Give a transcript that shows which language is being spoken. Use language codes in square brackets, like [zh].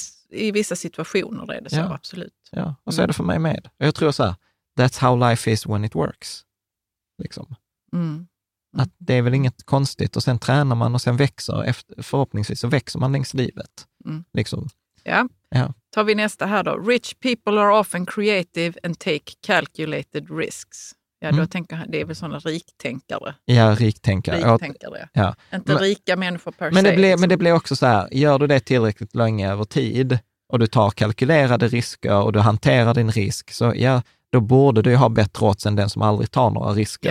[sv] I vissa situationer är det så, ja. Absolut. Ja, och så är det för mig med. Jag tror så här, [en] that's how life is when it works. [sv] Liksom. Mm. Att det är väl inget konstigt. Och sen tränar man och sen växer. Förhoppningsvis så växer man längs livet. Mm. Liksom. Ja. Ja. Tar vi nästa här då. [en] Rich people are often creative and take calculated risks. [sv] Ja, då tänker jag, det är väl sådana riktänkare. Ja, riktänkare. Ja. Inte men, rika människor per men se. Det blir, liksom. Men det blir också så här, gör du det tillräckligt länge över tid och du tar kalkylerade risker och du hanterar din risk, så ja, då borde du ju ha bättre odds än den som aldrig tar några risker.